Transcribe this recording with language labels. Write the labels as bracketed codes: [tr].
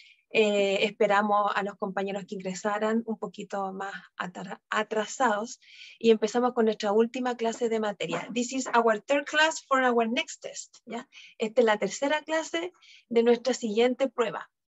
[es] Esperamos a los compañeros que ingresaran un poquito más atrasados y empezamos con nuestra última clase de materia. [en] This is our third class for our next test. [es] ¿Ya? Esta es la tercera clase de nuestra siguiente prueba.